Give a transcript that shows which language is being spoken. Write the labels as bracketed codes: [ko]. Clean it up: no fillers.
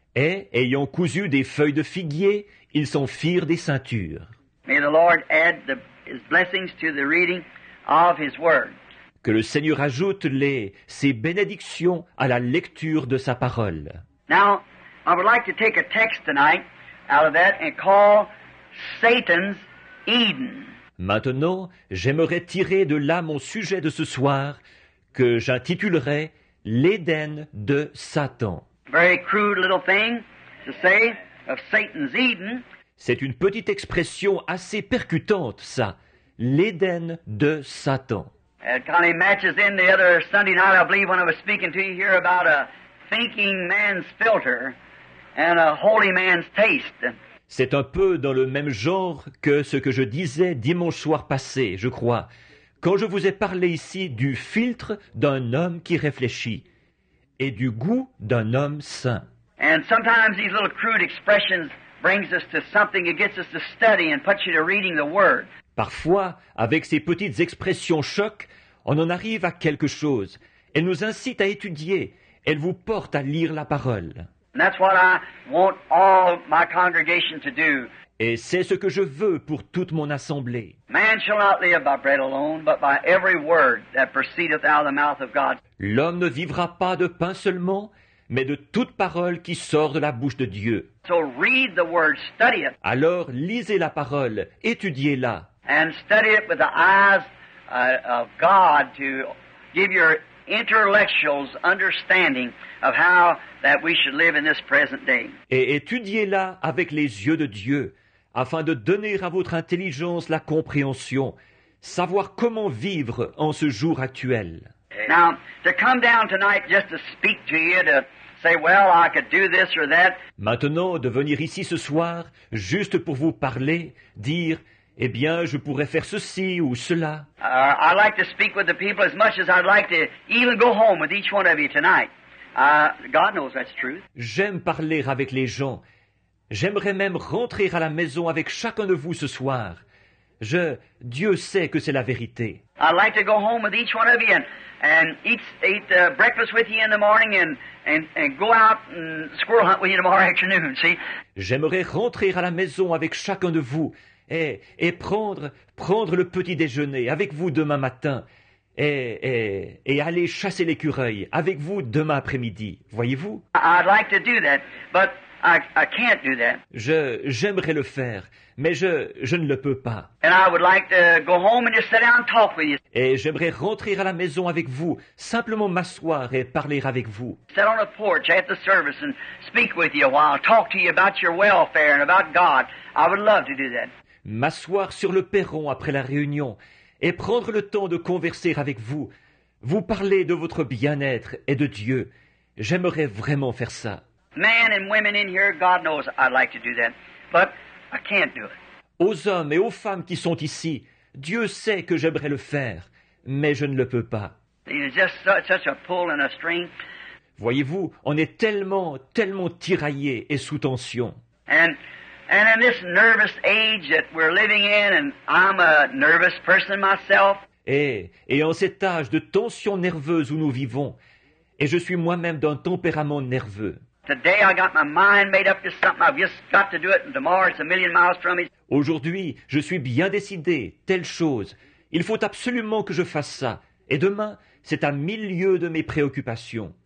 [fr] Et ayant cousu des feuilles de figuier, ils s'en firent des ceintures. [en] May the Lord add his blessings to the reading of his word. [fr] Que le Seigneur ajoute ses bénédictions à la lecture de sa parole. [en] Now, I would like to take a text tonight out of that and call Satan's Eden. [fr] Maintenant, j'aimerais tirer de là mon sujet de ce soir que j'intitulerai l'Éden de Satan. [en] Very crude little thing to say of Satan's Eden. [fr] C'est une petite expression assez percutante, ça. L'Éden de Satan. [en] It kind of matches in the other Sunday night, I believe, when I was speaking to you here about a thinking man's filter and a holy man's taste. [fr] C'est un peu dans le même genre que ce que je disais dimanche soir passé, je crois, quand je vous ai parlé ici du filtre d'un homme qui réfléchit et du goût d'un homme saint. [en] And sometimes these little crude expressions brings us to something that gets us to study and puts you to reading the word. [fr] Parfois, avec ces petites expressions choc, on en arrive à quelque chose. Elle nous incite à étudier. Elle vous porte à lire la parole. [en] And that's what I want all my congregation to do. [fr] Et c'est ce que je veux pour toute mon assemblée. [en] Man shall not live by bread alone, but by every word that proceedeth out of the mouth of God. [fr] L'homme ne vivra pas de pain seulement, mais de toute parole qui sort de la bouche de Dieu. [en] So read the word, study it. [fr] Alors lisez la parole, étudiez-la. [en] And study it with the eyes of God to give your intellectuals understanding of how that we should live in this present day. [fr] Et étudiez-la avec les yeux de Dieu, afin de donner à votre intelligence la compréhension, savoir comment vivre en ce jour actuel. [en] Now, to come down tonight just to speak to you, to say, well, I could do this or that. [fr] Maintenant, de venir ici ce soir, juste pour vous parler, dire, eh bien, je pourrais faire ceci ou cela. [en] I like to speak with the people as much as I'd like to even go home with each one of you tonight. God knows that's true. [fr] J'aime parler avec les gens. J'aimerais même rentrer à la maison avec chacun de vous ce soir. Dieu sait que c'est la vérité. [en] I'd like to go home with each one of you and eat breakfast with you in the morning and go out and squirrel hunt with you tomorrow afternoon, see? [fr] J'aimerais rentrer à la maison avec chacun de vous et prendre le petit déjeuner avec vous demain matin et aller chasser l'écureuil avec vous demain après-midi, voyez-vous? [en] I'd like to do that, but I can't do that. [fr] J'aimerais le faire, mais je ne le peux pas. [en] And I would like to go home and just sit down and talk with you. [fr] Et j'aimerais rentrer à la maison avec vous, simplement m'asseoir et parler avec vous. [en] Sit on the porch at the service and speak with you a while, talk to you about your welfare and about God. I would love to do that. [fr] M'asseoir sur le perron après la réunion et prendre le temps de converser avec vous, vous parler de votre bien-être et de Dieu. J'aimerais vraiment faire ça. [en] Men and women in here, God knows I'd like to do that, but I can't do it. [fr] Aux hommes et aux femmes qui sont ici, Dieu sait que j'aimerais le faire, mais je ne le peux pas. [en] It's just such a pull and a string. [fr] Voyez-vous, on est tellement, tellement tiraillé et sous tension. [en] And in this nervous age that we're living in, and I'm a nervous person myself. [fr] Et en cet âge de tension nerveuse où nous vivons, et je suis moi-même d'un tempérament nerveux. [en] Today I got my mind made up to something. I've just got to do it. And tomorrow it's a million miles from me. [fr] Aujourd'hui, je suis bien décidé. Telle chose. Il faut absolument que je fasse ça. Et demain, c'est à mille lieues de mes préoccupations.